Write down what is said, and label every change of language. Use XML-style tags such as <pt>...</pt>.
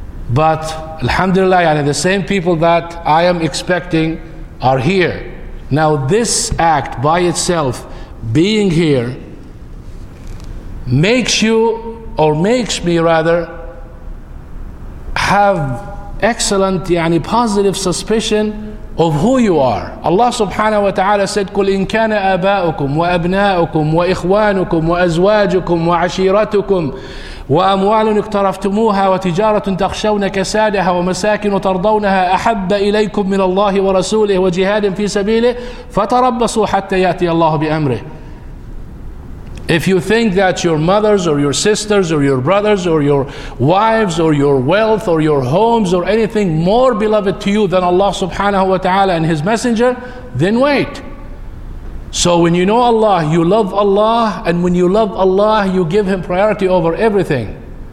<en>But alhamdulillah, يعني the same people that I am expecting are here. Now this act by itself, being here, makes me have excellent, يعني positive suspicion of who you are.</en> <ar>Allah subhanahu wa ta'ala said, قُلْ إِن كَانَ آبَاؤُكُمْ وَأَبْنَاؤُكُمْ وَإِخْوَانُكُمْ وَأَزْوَاجُكُمْ وَعَشِيرَتُكُمْ وَأَمْوَالٌ اقْتَرَفْتُمُوهَا وَتِجَارَةٌ تَخْشَوْنَ كَسَادَهَا وَمَسَاكِنُ تَرْضَوْنَهَا أَحَبَّ إِلَيْكُمْ مِنَ اللَّهِ وَرَسُولِهِ وَجِهَادٍ فِي سَبِيلِهِ فَتَرَبَّصُوا حَتَّى يَأْتِيَ اللَّهُ بِأَمْرِهِ.</ar> <en>If you think that your mothers or your sisters or your brothers or your wives or your wealth or your homes or anything more beloved to you than Allah subhanahu wa ta'ala and His Messenger, then wait. So when you know Allah, you love Allah, and when you love Allah, you give Him priority over everything.</en>